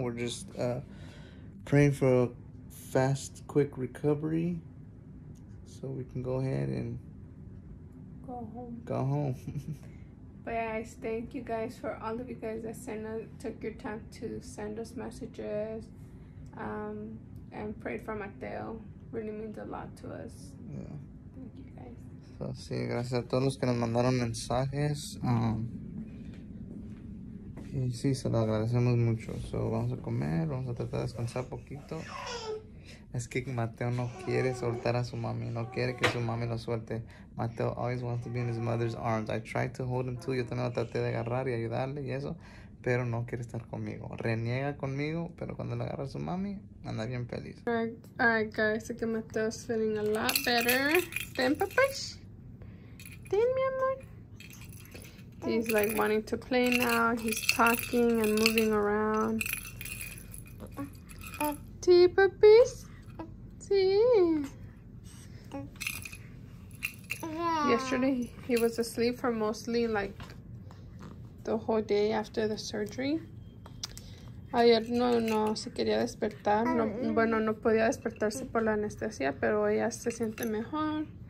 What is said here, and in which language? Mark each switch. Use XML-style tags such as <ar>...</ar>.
<en>We're just praying for a fast, quick recovery so we can go ahead and. Go home. Go home. But guys, thank you guys for all of you guys that took your time to send us messages and prayed for Mateo. Really means a lot to us. Yeah. Thank you guys.</en> <es>So, sí, gracias a todos los que nos mandaron mensajes. Sí, se lo agradecemos mucho. So, vamos a comer, vamos a tratar de descansar poquito. Es que Mateo no quiere soltar a su mami, no quiere que su mami lo suelte.</es> <en>Mateo always wants to be in his mother's arms. I tried to hold him too.</en> <es>Yo también lo traté de agarrar y ayudarle y eso, pero no quiere estar conmigo. Reniega conmigo, pero cuando le agarra a su mami, anda bien feliz.</es> <en>Alright, guys, I think Mateo's feeling a lot better.</en> <es>Ten, papas. Ten, mi amor.</es> <en>He's like wanting to play now. He's talking and moving around. Tea, puppies? Tea. Yesterday, he was asleep for mostly like the whole day after the surgery.</en> <es>Ayer no se quería despertar. No, bueno, no podía despertarse por la anestesia, pero hoy ya se siente mejor.</es>